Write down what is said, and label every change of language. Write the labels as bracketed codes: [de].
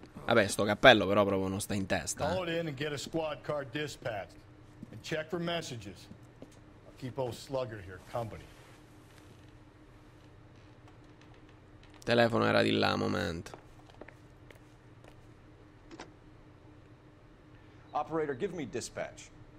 [it] Vabbè, sto cappello però proprio non sta in testa. [en] Call it in and get a squad car dispatched. And check for messages. I'll keep old Slugger here company. [it] Telefono era di là, momento. [en] Operator, give me dispatch.